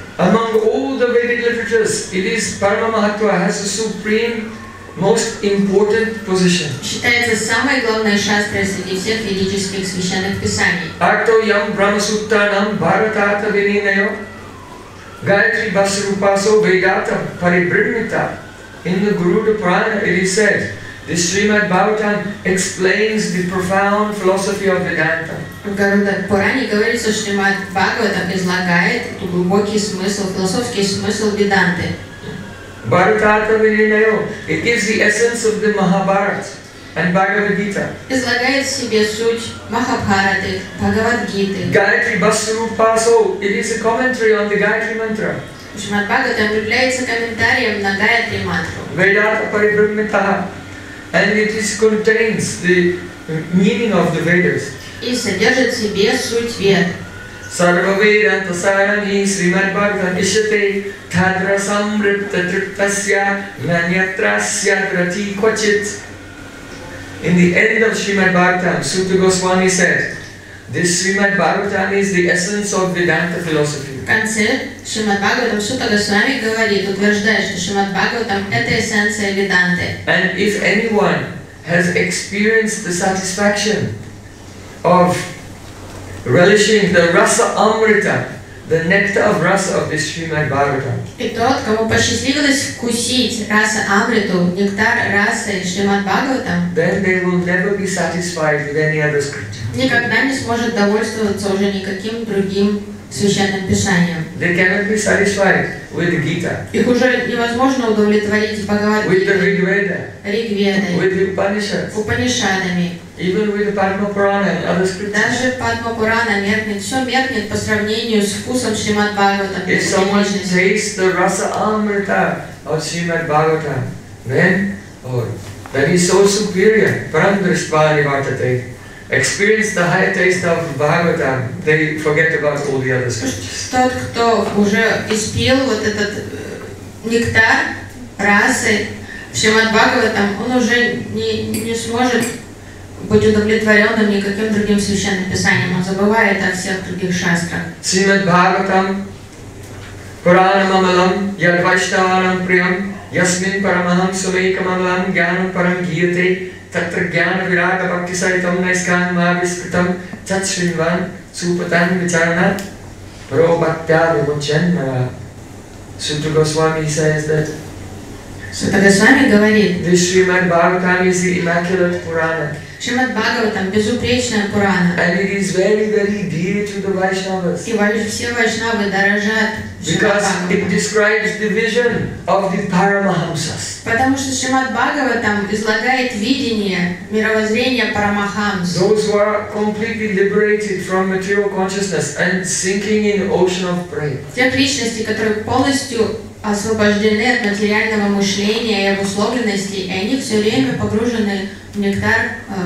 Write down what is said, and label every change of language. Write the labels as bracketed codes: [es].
[en] Among all the Vedic literatures, it is Parama Mahatva has the supreme, most important position. [ru] Считается самой главной шастрой среди всех ведических священных писаний. [sa] Ато ям Брахма Суттанам Бхаратата Вининайо Гайатри Басарупасо Вейдата Парибрамита. [en] In the Garuda Purana, it is said, the Srimad Bhagavatam explains the profound philosophy of Vedanta. [ru] В Гаруда Пуране говорится, что Шримад Бхагаватам излагает глубокий смысл, философский смысл Веданты. [sa] Бхаратата Вининайо, [en] it gives the essence of the Mahabharata and Bhagavad Gita. [ru] Излагает в себе суть Махабхараты, Бхагавад Гиты. [sa] Гаятри Басарупа, [en] so it is a commentary on the Гаятри Мантра. [ru] Шримад Бхагаватам является комментарием на Гаятри Мантру. [sa] Ведата Парибрамита, [en] and it is contains the meaning of the Vedas. [ru] И содержит в себе суть Вед. [sa] Sarva Vedanta Sarani Srimad Bhagavatam Ishate Thadra Samripta Triptasya Nanyatrasya Grati Kvachit. [en] In the end of Srimad Bhagavatam, Sutta Goswami said, this Srimad Bhagavatam is the essence of Vedanta philosophy. [ru] В конце Шримад Бхагаватам Сутта Госвами говорит, утверждая, что Шримад Бхагаватам – это эссенция Веданты. [en] And if anyone has experienced the satisfaction of relishing the rasa amrita, the nectar of rasa of this Srimad Bhagavatam. [ru] И тот, кому посчастливилось вкусить раса Амриту, нектар расы Шримад Бхагаватам, [en] then they will never be satisfied with any other scripture. [ru] Никогда не сможет довольствоваться уже никаким другим священным писанием. [en] They cannot be satisfied with Gita. [ru] Их уже невозможно удовлетворить Бхагавад-гитой. [en] With the Ригведа. [ru] Ригведой. [en] With the Upanishads. [ru] Упанишадами. [en] Even with Padma Purana and other scriptures. [ru] Даже Падма Пурана меркнет, все меркнет по сравнению с вкусом Шримад Бхагаватам. [en] If someone tastes the rasa amrita of Shrimad Bhagavatam, then, that is so superior, [sa] param drishtvani vartate. [en] Experience the higher taste of Bhagavatam, they forget about all the other scriptures. [ru] Тот, кто уже испил вот этот нектар расы Шримад Бхагаватам, он уже не сможет быть удовлетворенным никаким другим священным писанием. Он забывает о всех других шастрах. [sa] Шримад Бхагаватам, Пуранам Амалам, Ядвайшнаванам Приям, Ясмин Парамахам Сумейкам Амалам, Гьянам Парам Гиете, Татра Гьяна Вирага Бхактисаритам Найскан Мавискритам, Тат Шринван, Супатан Вичарна, Пробаття Вимучен. [en] Святой Госвами says that [ru] Святой Госвами говорит, [en] this Шримад Бхагаватам is the Immaculate Purana. [ru] Шримад Бхагаватам – безупречная Пурана. [en] And it is very, very dear to the Vaishnavas. [ru] И все Вайшнавы дорожат Шримад [en] Бхагаватам. Because it describes the vision of the Paramahamsas. [ru] Потому что Шримад Бхагаватам излагает видение, мировоззрение Парамахамс. [en] Those who are completely liberated from material consciousness and sinking in the ocean of prayer. [ru] Тех личностей, которые полностью освобождены от материального мышления и обусловленности, и они все время погружены нектар